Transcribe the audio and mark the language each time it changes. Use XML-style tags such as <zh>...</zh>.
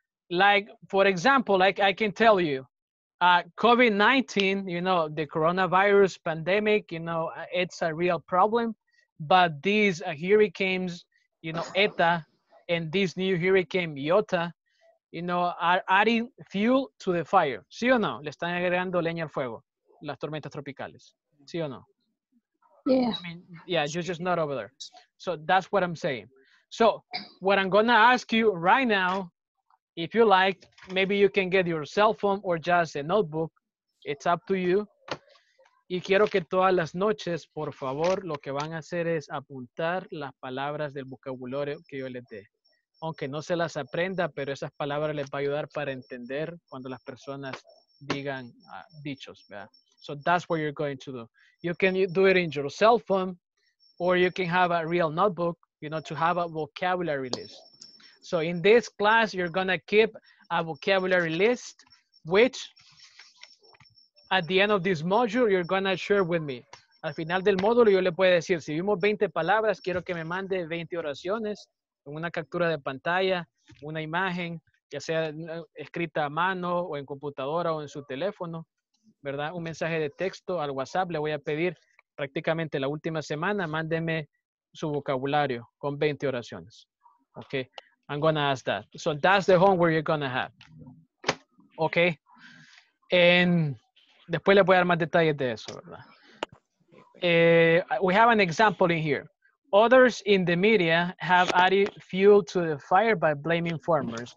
<en>Like, for example, like I can tell you, COVID-19, you know, the coronavirus pandemic, you know, it's a real problem. But these hurricanes, you know, ETA, and this new hurricane, Iota, you know, are adding fuel to the fire.</en> <es>¿Sí o no? Le están agregando leña al fuego, las tormentas tropicales. ¿Sí o no?</es> <en>Yeah. I mean, yeah, you're just not over there. So that's what I'm saying. So what I'm going to ask you right now, if you like, maybe you can get your cell phone or just a notebook. It's up to you.</en> <es>Y quiero que todas las noches, por favor, lo que van a hacer es apuntar las palabras del vocabulario que yo les dé. Aunque no se las aprenda, pero esas palabras les va a ayudar para entender cuando las personas digan dichos, ¿verdad?</es> <en>So that's what you're going to do. You can do it in your cell phone, or you can have a real notebook, you know, to have a vocabulary list. So in this class, you're going to keep a vocabulary list, which at the end of this module, you're going to share with me.</en> <es>Al final del módulo, yo le puedo decir, si vimos 20 palabras, quiero que me mande 20 oraciones, una captura de pantalla, una imagen, ya sea escrita a mano o en computadora o en su teléfono, ¿verdad? Un mensaje de texto al WhatsApp. Le voy a pedir prácticamente la última semana, mándeme su vocabulario con 20 oraciones.</es> <en>Okay. I'm going to ask that. So that's the homework you're going to have. Okay.</en> <es>And después les voy a dar más detalles de eso, ¿verdad?</es> <en>We have an example in here. Others in the media have added fuel to the fire by blaming farmers.</en>